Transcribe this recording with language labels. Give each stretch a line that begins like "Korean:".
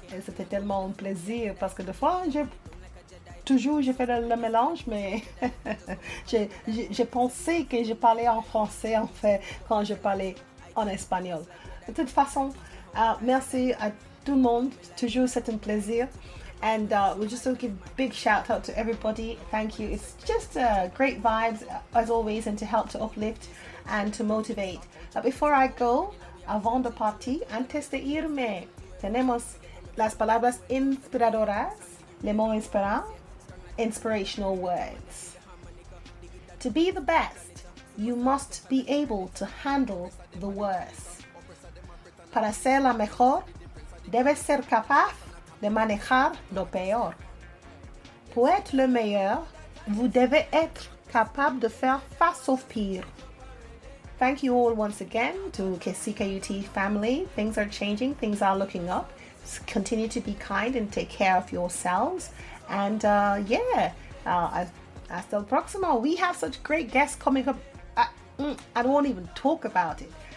French: C'était tellement un plaisir parce que de fois, j'ai toujours fait le mélange, mais j'ai pensé que je parlais en français en fait quand je parlais en espagnol. De toute façon, merci à tout le monde, toujours c'est un plaisir.
English: And we'll just give a big shout out to everybody. Thank you. It's just great vibes as always, and to help to uplift and to motivate. But before I go,
French: avant de partir,
Spanish: antes de irme, tenemos las palabras inspiradoras,
French: les mots inspirants,
English: inspirational words. To be the best, you must be able to handle the worst.
Spanish: Para ser la mejor, debes ser capaz de manejar lo peor.
French: Pour être le meilleur, vous devez être capable de faire face au pire.
English: Thank you all once again to CKUT family. Things are changing, things are looking up. Continue to be kind and take care of yourselves.
Spanish: And hasta el próximo.
English: We have such great guests coming up. I won't even talk about it.